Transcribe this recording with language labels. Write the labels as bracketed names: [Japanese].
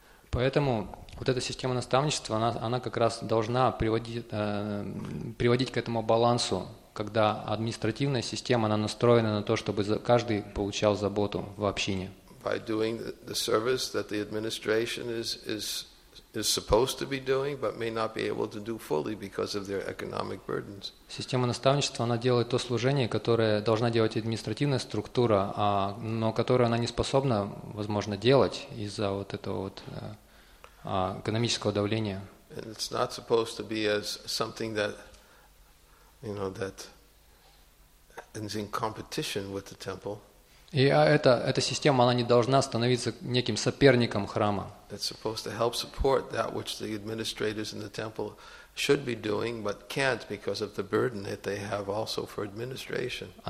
[Russian] Поэтому вот эта система наставничества, она как раз должна приводить к этому балансу, когда административная система, она настроена на то, чтобы каждый получал заботу в общине. [English] By doing the service that the administration is supposed to be doing, but may not be able to do fully because of their economic burdens. [Russian] Система наставничества, она делает то служение, которое должна делать административная структура, но которое она не способна, возможно, делать из-за вот этого вот экономического давления. [English] And it's not supposed to be as something that, that is in competition with the temple. [Russian] И эта система, она не должна становиться неким соперником храма. [English] It's supposed to help support that which the administrators in the temple should be doing, but can't because of the burden that they have also for administration.